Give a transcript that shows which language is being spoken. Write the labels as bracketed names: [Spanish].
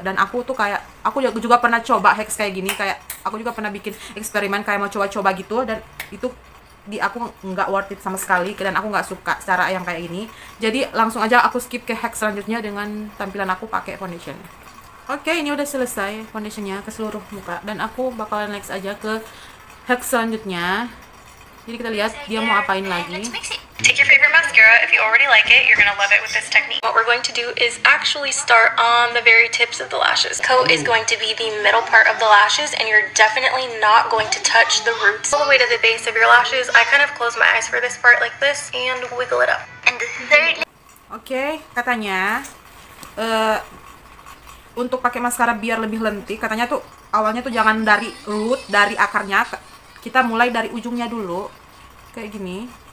[Indonesian] Dan aku tuh kayak, aku juga pernah coba hacks kayak gini, kayak aku juga pernah bikin eksperimen kayak mau coba-coba gitu, dan itu di aku nggak worth it sama sekali, dan aku nggak suka cara yang kayak ini. Jadi langsung aja aku skip ke hack selanjutnya dengan tampilan aku pakai foundation. Oke, ini udah selesai foundationnya ke seluruh muka, dan aku bakalan next aja ke hack selanjutnya. Jadi kita lihat dia mau apain lagi. [English] Take your favorite mascara. If you already like it, you're gonna love it with this technique. What we're going to do is actually start on the very tips of the lashes. Coat is going to be the middle part of the lashes, and you're definitely not going to touch the roots all the way to the base of your lashes. I kind of close my eyes for this part like this and wiggle it up. And thirdly. [Indonesian] Oke, katanya untuk pakai maskara biar lebih lentik, katanya tuh awalnya tuh jangan dari root, dari akarnya. Kita mulai dari ujungnya dulu, kayak gini.